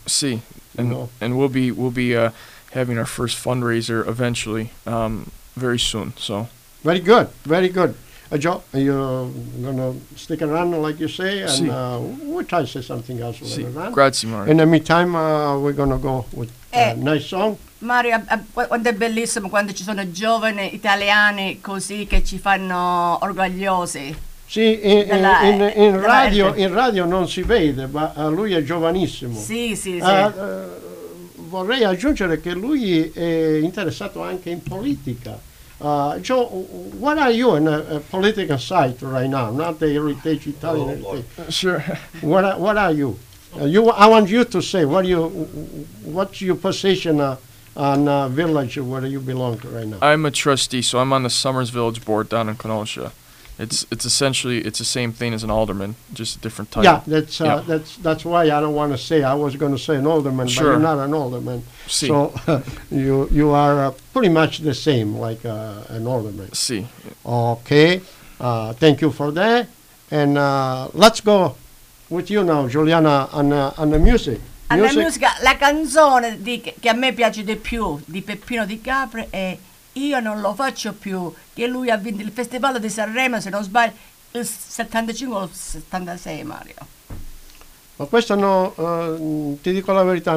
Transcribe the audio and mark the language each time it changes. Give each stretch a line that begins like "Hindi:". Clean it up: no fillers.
English: See, and we'll be having our first fundraiser eventually, very soon. So very good, very good. Joe, you gonna stick around like you say, and we'll try to say something else.
Italian: Si. Grazie, Mario.
English: In the meantime, we're gonna go with a nice song.
Italian: Mario, quando è bellissimo quando ci sono giovani italiani così che ci fanno orgogliosi. Sì, in radio non si vede, ma lui è giovanissimo. Sì, sì, sì. Vorrei aggiungere che lui è interessato anche in politica.
English: Joe, what are you in a political site right now? Not the Heritage Italian. Sure. What are you? I want you to say what's your position on village where you belong right now. I'm a trustee, so I'm on the Summers Village Board down in Kenosha. It's essentially the same thing as an alderman, just a different title. Yeah, that's why I don't want to say. I was going to say an alderman, sure. But you're not an alderman.
Italian: Si.
English: So you are pretty much the same, like an alderman.
Italian: Si.
English: Okay, thank you for that. And let's go with you now, Giuliana, on the music. On the music,
Italian: la canzone che a me piace di più di Peppino Di Capri è Io non lo faccio più, che lui ha vinto il Festival di Sanremo, se non sbaglio, il 75 o il 76, Mario. Ma questa no, ti dico la verità,